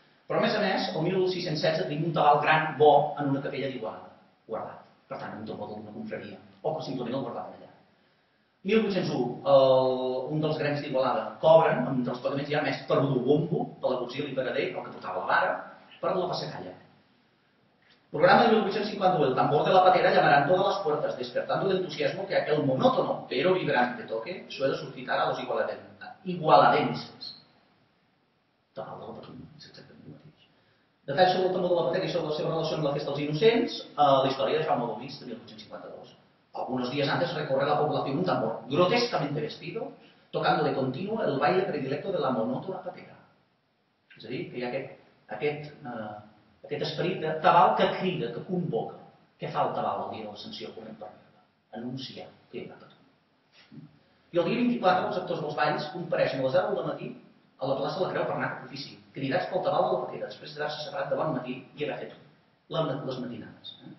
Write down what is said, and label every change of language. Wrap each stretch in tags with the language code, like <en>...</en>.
<ca>Però a més, el 1616 tenim un tabal gran, bo, en una capella d'Igualada, guardat. Per tant, un tabal d'una confraria, o que simplement el guardaven allà. 1801, un dels grans d'Igualada cobren, amb un dels pagaments ja més per l'Ubombo, per l'auxili Paradell, el que portava la vara, per la passacalla.</ca> <es>Programa de 1852, el tambor de la patera llamarán todas las puertas, despertando de entusiasmo que aquel monótono, pero vibrante toque, suele suscitar a los igualadenses. Igualadenses.</es> <ca>Tabal de la patera, és exactament el mateix. Detall sobre el tambor de la patera i sobre la seva relació amb la festa dels innocents, la història de Jaume Gomis de 1852.</ca> <es>Algunos días antes recorre la población un tambor grotescamente vestido, tocando de continuo el baile predilecto de la monótona patera.</es> <ca>És a dir, que hi ha aquest esperit de tabal que crida, que convoca. Què fa el tabal el dia de l'ascensió corrent per la patera? Anuncia que hi ha una patera. I el dia 24 els actors dels balls compareixen a les 10 del matí a la plaça de la Creu per anar a l'ofici, cridats pel tabal de la patera, després de quedar-se separat de bon matí i haver fet les matinades.</ca>